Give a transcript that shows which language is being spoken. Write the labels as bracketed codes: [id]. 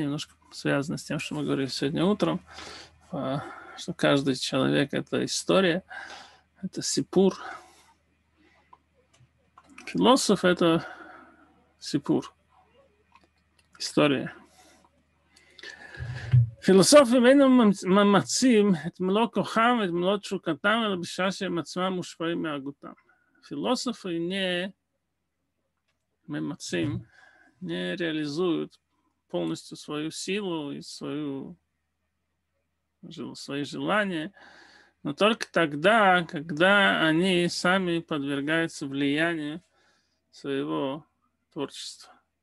[ru] Немножко связано с тем, что мы говорили сегодня утром, что каждый человек — это история, это сипур. Философ — это сипур, история. [he] Философים אינו ממצים את מלוא כוחם, את מלוא תשוקתם, אלא בשעה שהם עצמם מושפעים מהגותם. [ru] פילוסופים не ממצים, не реализуют полностью свою силу и свои желания, но только тогда, когда они сами подвергаются влиянию своего творчества.